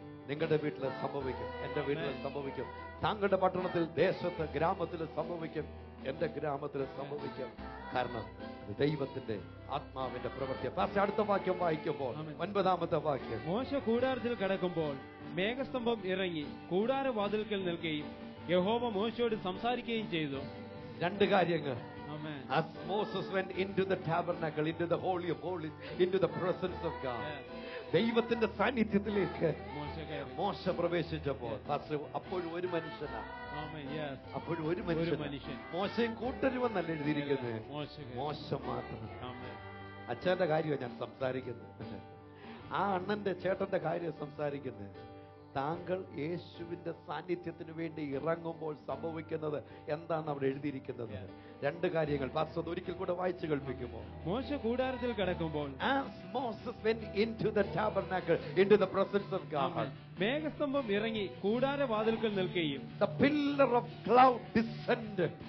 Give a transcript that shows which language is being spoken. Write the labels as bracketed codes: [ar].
[ml] നിങ്ങളുടെ വീട്ടിൽ സംഭവിക്കും, എന്റെ വീട്ടിൽ സംഭവിക്കും, താങ്കളുടെ പട്ടണത്തിൽ, ദേശത്ത്, ഗ്രാമത്തിൽ സംഭവിക്കും, എന്റെ ഗ്രാമത്തിൽ സംഭവിക്കും. കാരണം ദൈവത്തിന്റെ ആത്മാവിന്റെ പ്രവൃത്തി. പക്ഷേ അടുത്ത വാക്യം വായിക്കുമ്പോൾ, ഒൻപതാമത്തെ വാക്യം, മോശ കൂടാരത്തിൽ കിടക്കുമ്പോൾ മേഘസ്തംഭം ഇറങ്ങി കൂടാരവാതിൽക്കൽ നിൽക്കുകയും യഹോവ മോശയോട് സംസാരിക്കുകയും ചെയ്തു. രണ്ട് കാര്യങ്ങൾ. [en] As Moses went into the tabernacle, into the holy of holies, into the presence of God. [ml] ദൈവത്തിന്റെ സാന്നിധ്യത്തിലേക്ക് മോശ പ്രവേശിച്ചപ്പോൾ അപ്പോഴും ഒരു മനുഷ്യനാണ്, അപ്പോഴും ഒരു മനുഷ്യൻ, മോശയും കൂട്ടരുമെന്നല്ല എഴുതിയിരിക്കുന്നത്, മോശ മാത്രം. അച്ഛന്റെ കാര്യമാണ് ഞാൻ സംസാരിക്കുന്നത്, ആ അണ്ണന്റെ ചേട്ടന്റെ കാര്യമാണ് സംസാരിക്കുന്നത്. താങ്കൾ യേശുവിന്റെ സാന്നിധ്യത്തിന് വേണ്ടി ഇറങ്ങുമ്പോൾ സംഭവിക്കുന്നത് എന്താണ് അവിടെ എഴുതിയിരിക്കുന്നത്? രണ്ട് കാര്യങ്ങൾ പാസ്റ്റർ ഒരിക്കൽ കൂടെ വായിച്ചു കേൾപ്പിക്കുമോ? മോശ കൂടാരത്തിൽ കിടക്കുമ്പോൾ, [en] as Moses went into the tabernacle, into the presence of God, [ml] മേഘസ്തംഭം ഇറങ്ങി കൂടാരവാതിൽക്കൽ നിൽക്കുകയും, [en] the pillar of cloud descended.